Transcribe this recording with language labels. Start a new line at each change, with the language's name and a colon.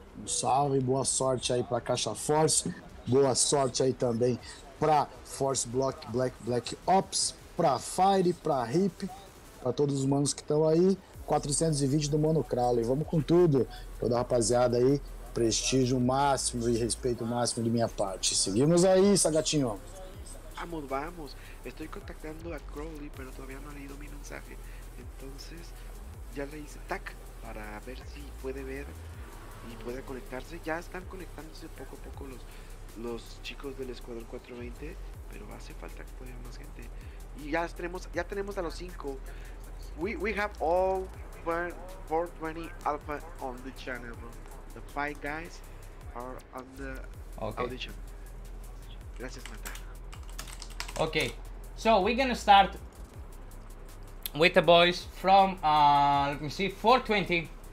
Portuguese: Um salve, boa sorte aí pra Caixa Force, boa sorte aí também pra Force Block Black Ops, pra Fire, pra Hip, pra todos os manos que estão aí, 420 do Mano Crowley. Vamos com tudo, toda rapaziada aí, prestígio máximo e respeito máximo de minha parte. Seguimos aí, Sagatinho. Vamos, vamos.
Spanish: Estoy contactando a Crowley, pero todavía no ha leído mi mensaje. Entonces, ya le hice tac para ver si puede ver y puede conectarse. Ya están conectándose poco a poco los chicos del Escuadrón 420, pero hace falta que pueda más gente. Y ya tenemos a los 5.
English: We have all 420 Alpha on the channel, bro. The 5 guys are on the audition.
Spanish: Gracias, Mata.
English: Okay, so we're gonna start with the boys from, let me see, 420.